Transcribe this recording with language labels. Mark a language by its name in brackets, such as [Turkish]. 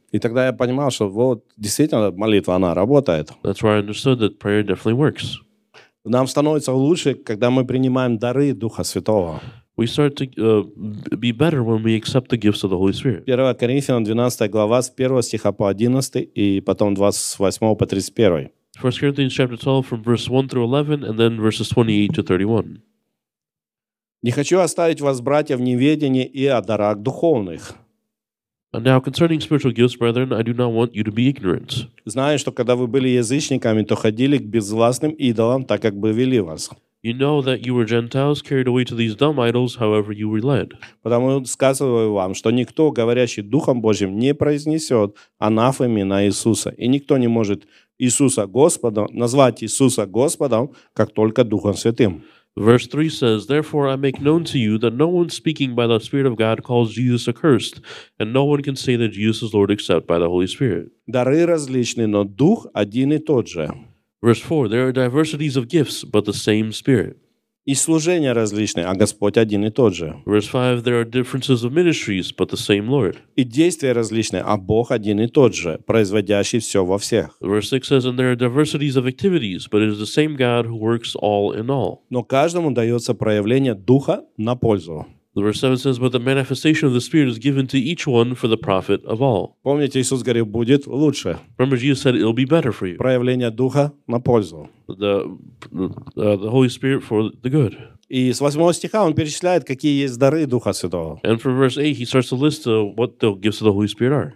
[Russian] И тогда я понимал, что вот действительно молитва, она работает. [English] That's where I understood that prayer definitely works. [Russian] Нам становится лучше, когда мы принимаем дары Духа Святого. [English] We start to be better when we accept the gifts of the Holy Spirit. [Russian] 1 Коринфянам 12 глава с 1 стиха по 11 и потом 28 по 31. [English] 1 Corinthians chapter 12 from verse 1 through 11 and then verses 28 to 31. [Russian] Не хочу оставить вас, братья, в неведении и о дарах духовных. [English] And now concerning spiritual gifts, brethren, I do not want you to be ignorant. [Russian] Знаю, что когда вы были язычниками, то ходили к безвластным идолам, так как бы вели вас. [English] You know that you were Gentiles, carried away to these dumb idols, however you were led. [Russian] Потому сказываю вам, что никто, говорящий Духом Божьим, не произнесет анафемы на Иисуса, и никто не может Иисуса Господом, назвать Иисуса Господом, как только Духом Святым. [English] Verse 3 says, Therefore I make known to you that no one speaking by the Spirit of God calls Jesus accursed, and no one can say that Jesus is Lord except by the Holy Spirit. [Russian] Дары различны, но Дух один и тот же. [English] Verse 4, There are diversities of gifts, but the same Spirit. [Russian] И служения различны, а Господь один и тот же. [English] Verse 5, There are differences of ministries, but the same Lord. [Russian] И действия различны, а Бог один и тот же, производящий все во всех. [English] Verse 6 says, And there are diversities of activities, but it is the same God who works all in all. [Russian] Но каждому дается проявление Духа на пользу. [English] Verse 7 says, But the manifestation of the Spirit is given to each one for the profit of all. [Russian] Помните, Иисус говорил, будет лучше. [English] Remember, Jesus said, it'll be better for you. [Russian] Проявление Духа на пользу. [English] The Holy Spirit for the good. [Russian] И с 8 стиха он перечисляет, какие есть дары Духа Святого. [English] And from verse 8, he starts to list what the gifts of the Holy Spirit are.